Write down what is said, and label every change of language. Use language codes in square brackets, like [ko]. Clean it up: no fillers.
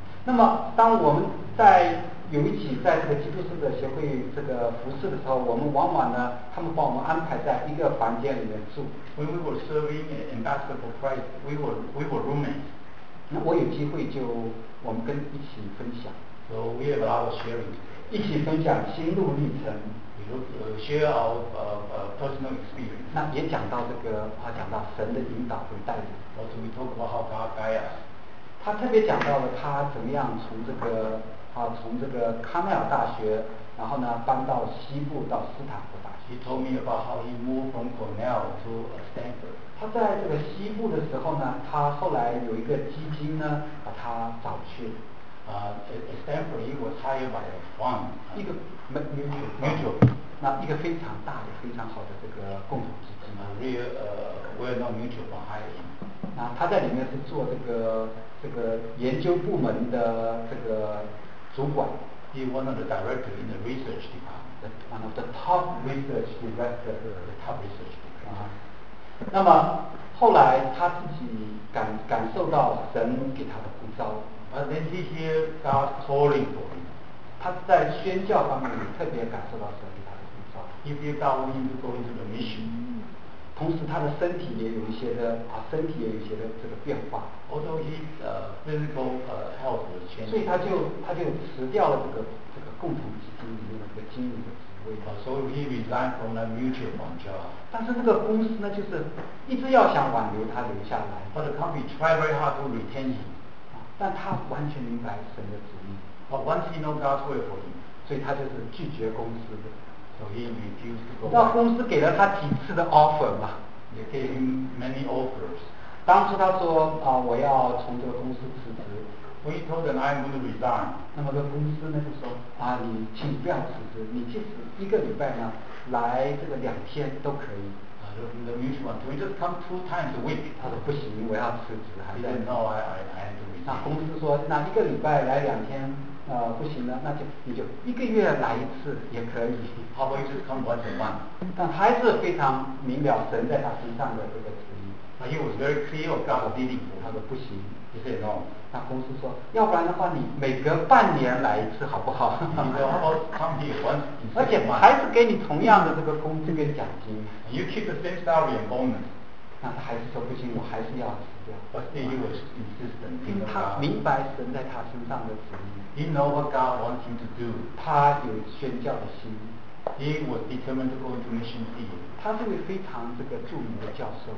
[zh] 那么当我们在有一起在这个基督使徒协会这个服侍的时候，我们往往呢，他们把我们安排在一个房间里面住。 [en] When we were serving an ambassador for Christ, we were roommates. [zh] 那我有机会就我们跟一起分享。 [en] So we have a lot of sharing. [zh] 一起分享心路历程。比如 [en] share our personal experience. [zh] 那也讲到这个，他讲到神的引导和带领。 [en] Also we talk about how God guides us. [zh] 他特别讲到了他怎么样从这个康奈尔大学，然后呢搬到西部到斯坦福大学。 [en] He told me about how he moved from Cornell to Stanford. [zh] 他在这个西部的时候呢，他后来有一个基金呢把他找去。 [en] Stanford, he was hired by a fund, [zh] 一个 [en] mutual, [zh] 那一个非常大也非常好的这个共同基金 [en] well-known mutual fund hired him. [zh] 那他在里面是做这个研究部门的这个主管。 [en] He was one of the directors in the research department. One of the top research directors, the top research department. [zh] 那么后来他自己感受到神给他的呼召。 [en] But then he hear God calling for him. [zh] 他在宣教方面特别感受到神给他的呼召。 [en] He feel God want him to go into the mission. [zh] 同时他的身体也有一些的身体也有一些的这个变化。 [en] Although his physical health was changed. [zh] 所以他就辞掉了这个共同基金里面的这个经理的职位。 [en] So he resigned from the mutual fund job. [zh] 但是那个公司呢，就是一直要想挽留他留下来。 [en] But the company tried very hard to retain him. [zh] 但他完全明白神的旨意。 [en] But once he knows God's will for him, [zh] 所以他就是拒绝公司的。 [en] So he refused to go. [zh] 那公司给了他几次的 offer 嘛？也给 [en] him many offers. [zh] 当初他说我要从这个公司辞职。 [en] When he told them I'm going to resign. [zh] 那么这公司呢就说你请不要辞职，你即使一个礼拜呢来这个两天都可以。 [en] The mutual fund, we just come two times a week. [zh] 他说不行，我要辞职。 [en] He said no, I have to resign. [zh] 那公司说，那一个礼拜来两天，不行了，那就你就一个月来一次也可以。 [en] How about you just come once a month? [zh] 但他还是非常明了神在他身上的这个旨意。 [en] But he was very clear of God's dealing. [zh] 他说不行。 [en] He said no. [zh] 那公司说，要不然的话，你每隔半年来一次好不好？ [en] How about come here once? [zh] 而且还是给你同样的这个工资跟奖金。 [en] You keep the same salary and bonus. [zh] 那他还是说不行，我还是要辞掉。 [en] But still he was insistent. [zh] 因为他明白神在他身上的旨意。 [en] He know what God wants him to do. [zh] 他有宣教的心。 [en] He was determined to go into mission field. [zh] 他是位非常这个著名的教授。